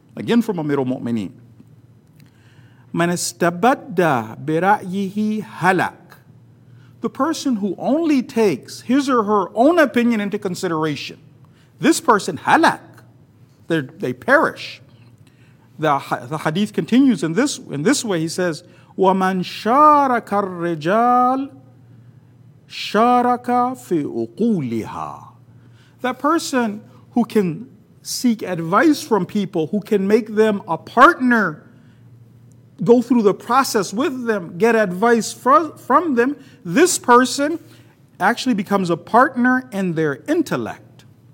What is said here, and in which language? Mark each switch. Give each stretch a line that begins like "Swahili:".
English: Again from Amir al-Mu'mineen.
Arabic: مَنَ اسْتَبَدَّ بِرَأْيِهِ هَلَكْ.
English: The person who only takes his or her own opinion into consideration, this person, halak, they perish. The hadith continues in this way. He says,
Arabic: وَمَنْ شَارَكَ الرِّجَالِ شَارَكَ فِي أُقُولِهَا.
English: That person who can seek advice from people, who can make them a partner, go through the process with them, get advice from them, this person actually becomes a partner in their intellect.